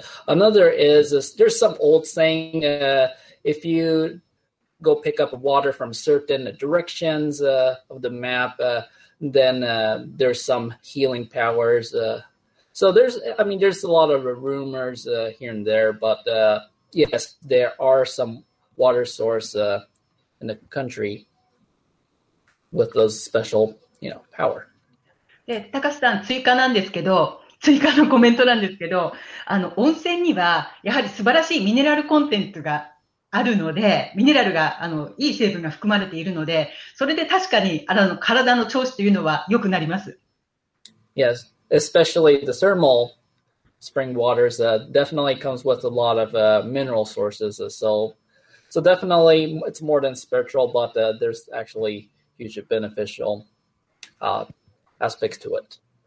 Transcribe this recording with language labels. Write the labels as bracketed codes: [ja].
[en] Another is there's some old saying: if you go pick up water from certain directions of the map, then there's some healing powers. So there's a lot of rumors here and there, but yes, there are some water source in the country with those special, you know, power. [ja] で、たかしさん、追加なんですけど、追加のコメントなんですけど、温泉にはやはり素晴らしいミネラルコンテンツがあるので、ミネラルが、いい成分が含まれているので、それで確かに、体の調子というのは良くなります。 [en] Yes, especially the thermal spring waters definitely comes with a lot of mineral sources. So definitely it's more than spiritual, but there's actually huge beneficial aspects to it.